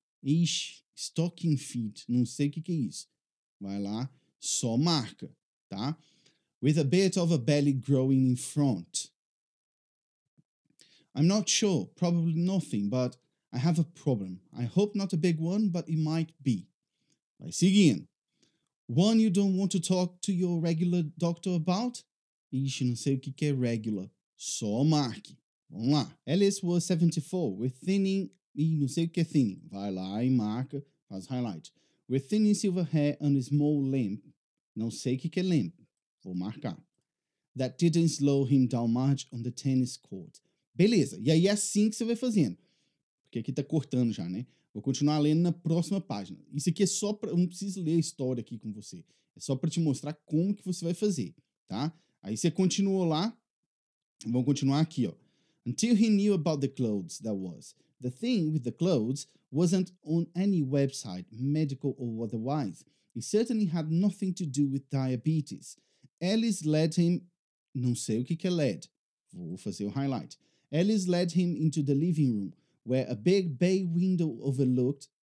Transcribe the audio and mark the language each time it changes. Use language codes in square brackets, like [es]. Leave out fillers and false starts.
[pt] Ixi, stocking feet, não sei o que é isso. Vai lá, só marca, tá? [en] With a bit of a belly growing in front. I'm not sure, probably nothing, but I have a problem. I hope not a big one, but it might be. [pt] Vai seguindo. [en] One you don't want to talk to your regular doctor about? [pt] Ixi, não sei o que é regular. Só marque. Vamos lá. [en] Ellis was 74. With thinning... [pt] Ih, não sei o que é thinning. Vai lá e marca. Faz highlight. [en] With thinning silver hair and a small limp. [pt] Não sei o que é limp. Vou marcar. [en] That didn't slow him down much on the tennis court. [pt] Beleza. E aí é assim que você vai fazendo. Porque aqui tá cortando já, né? Vou continuar lendo na próxima página. Isso aqui é só pra... Eu não preciso ler a história aqui com você. É só pra te mostrar como que você vai fazer, tá? Aí você continuou lá. Vamos continuar aqui, ó. [en] Until he knew about the clothes, that was. The thing with the clothes wasn't on any website, medical or otherwise. It certainly had nothing to do with diabetes. Ellis led him... [pt] Não sei o que é led. Vou fazer o highlight. [en] Ellis led him into the living room, where a big bay window overlooked...